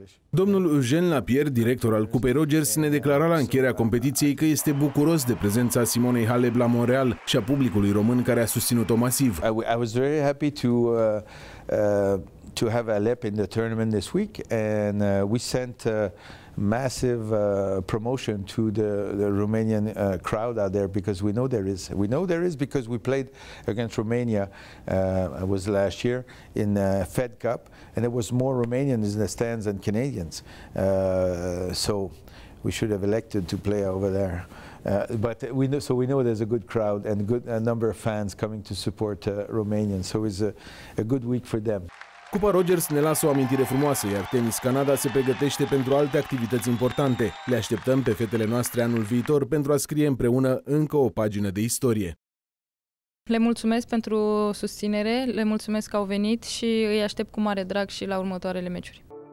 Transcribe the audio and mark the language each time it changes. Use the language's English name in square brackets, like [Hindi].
[Romanian] Domnul Eugène Lapierre, director al Cupei Rogers, ne declara la încheierea competiției că este bucuros de prezența Simonei Halep la Montreal și a publicului român care a susținut-o masiv. [English] I was very happy to have Halep in the tournament this week and we sent massive promotion to the Romanian crowd out there because we know there is because we played against Romania it was last year in the Fed Cup and there was more Romanians in the stands than Canadians so we should have elected to play over there but we know there's a good crowd and a number of fans coming to support Romanians so it's a good week for them. [Romanian] Cupa Rogers ne lasă o amintire frumoasă, iar Tenis Canada se pregătește pentru alte activități importante. Le așteptăm pe fetele noastre anul viitor pentru a scrie împreună încă o pagină de istorie. Le mulțumesc pentru susținere, le mulțumesc că au venit și îi aștept cu mare drag și la următoarele meciuri.